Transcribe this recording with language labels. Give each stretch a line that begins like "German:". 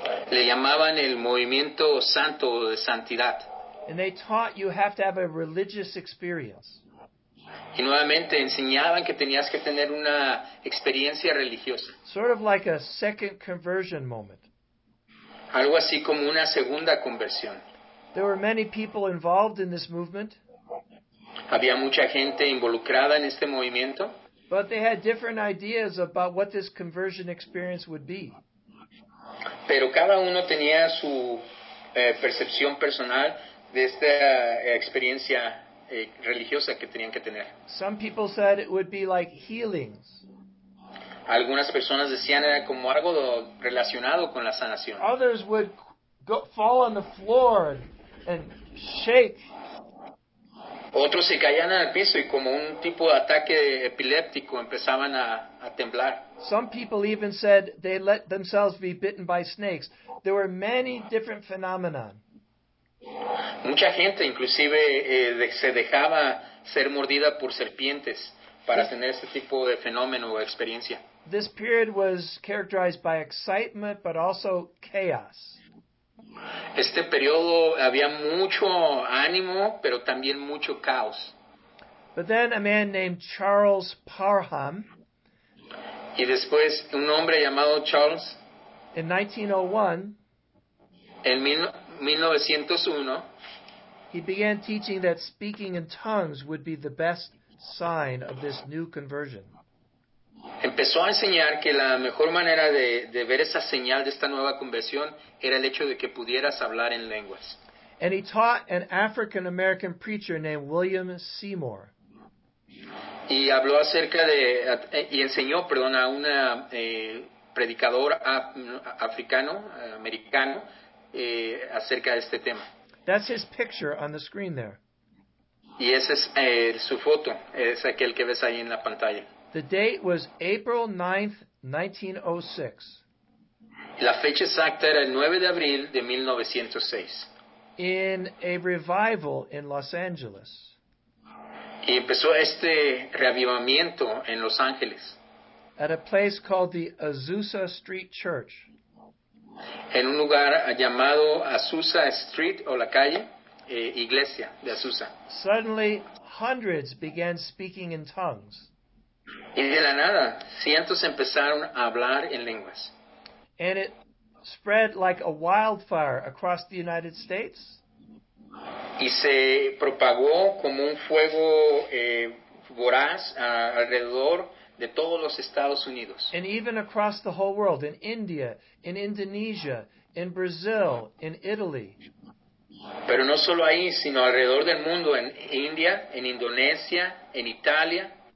Spanish: Le llamaban el movimiento santo o de santidad.
English: And they taught you have to have a religious experience.
Spanish: Y nuevamente enseñaban que tenías que tener una experiencia religiosa.
English: Sort of like a second conversion moment.
Spanish: Algo así como una segunda conversión.
English: There were many people involved in this movement.
Spanish: Había mucha gente involucrada en este movimiento.
English: But they had different ideas about what this conversion experience would be.
Spanish: Pero cada uno tenía su percepción personal de esta experiencia religiosa que tenían que tener.
English: Some people said it would be like healings.
Spanish: Algunas personas decían era como algo relacionado con la sanación.
English: Others would go, fall on the floor and shake.
Spanish: Otros se caían al piso y como un tipo de ataque epiléptico empezaban a temblar.
English: Some people even said they let themselves be bitten by snakes. There were many different phenomena.
Spanish: Mucha gente inclusive se dejaba ser mordida por serpientes para tener ese tipo de fenómeno o experiencia.
English: This period was characterized by excitement but also chaos.
Spanish: Este periodo había mucho ánimo, pero también mucho caos.
English: But then a man named Charles Parham.
Spanish: Y después un hombre llamado Charles.
English: In 1901.
Spanish: En 1901.
English: He began teaching that speaking in tongues would be the best sign of this new conversion.
Spanish: Empezó a enseñar que la mejor manera de ver esa señal de esta nueva conversión era el hecho de que pudieras hablar en lenguas.
English: And he taught an African-American preacher named William Seymour.
Spanish: Y habló acerca de, y enseñó, perdón, a un predicador americano, acerca de este tema.
English: That's his picture on the screen there.
Spanish: Y esa es su foto, es aquel que ves ahí en la pantalla.
English: The date was April 9th, 1906.
Spanish: La fecha exacta era el 9 de abril de 1906.
English: In a revival in Los Angeles.
Spanish: Y empezó este reavivamiento en Los Ángeles.
English: At a place called the Azusa Street Church.
Spanish: En un lugar llamado Azusa Street o la calle Iglesia de Azusa.
English: Suddenly, hundreds began speaking in tongues.
Spanish: Y de la nada, cientos empezaron a hablar en lenguas.
English: And it spread like a wildfire across the United States.
Spanish: Y se propagó como un fuego voraz alrededor de todos los Estados Unidos.
English: And even across the whole world, in India, in Indonesia, in Brazil, in Italy.
Spanish: Pero no solo ahí, sino alrededor del mundo, en India, en Indonesia, en Italia.